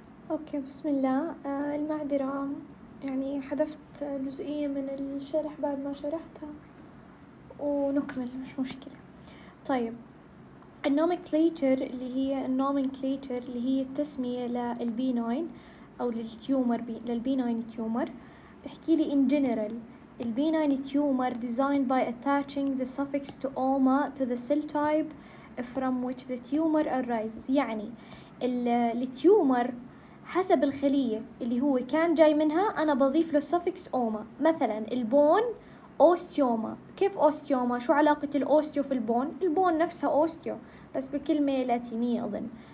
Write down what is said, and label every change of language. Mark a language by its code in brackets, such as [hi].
[ar] أوكي بسم الله. المعذرة، يعني حذفت جزئية من الشرح بعد ما شرحتها، ونكمل مش مشكلة. طيب النومنكليتشر اللي هي التسمية للبي 9 أو للتيومر للبي 9 تيومر. بحكي لي [en] in general ال B9 tumor designed by attaching the suffix to oma to the cell type from which the tumor arises. [ar] يعني التيومر حسب الخلية اللي هو كان جاي منها أنا بضيف له suffix oma. مثلا البون أوستيوما. كيف أوستيوما؟ شو علاقة الأوستيو في البون؟ البون نفسها أوستيو بس بكلمة لاتينية أظن.